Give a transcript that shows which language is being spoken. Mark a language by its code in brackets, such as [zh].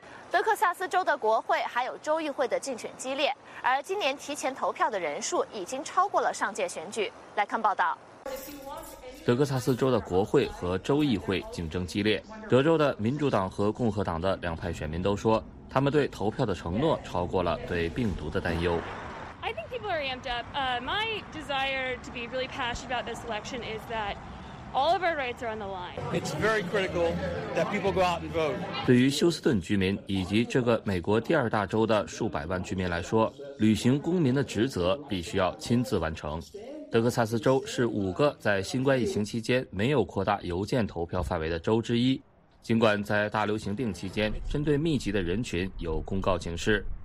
[zh] 德克萨斯州的国会还有州议会的竞选激烈，而今年提前投票的人数已经超过了上届选举。来看报道。德克萨斯州的国会和州议会竞争激烈，德州的民主党和共和党的两派选民都说，他们对投票的承诺超过了对病毒的担忧。 [en] I think people are amped up. My desire to be really passionate about this election is that all of our rights are on the line. It's very critical that people go out and vote. [zh] 对于休斯顿居民以及这个美国第二大州的数百万居民来说，履行公民的职责必须要亲自完成。德克萨斯州是五个在新冠疫情期间没有扩大邮件投票范围的州之一。尽管在大流行病期间针对密集的人群有公告警示，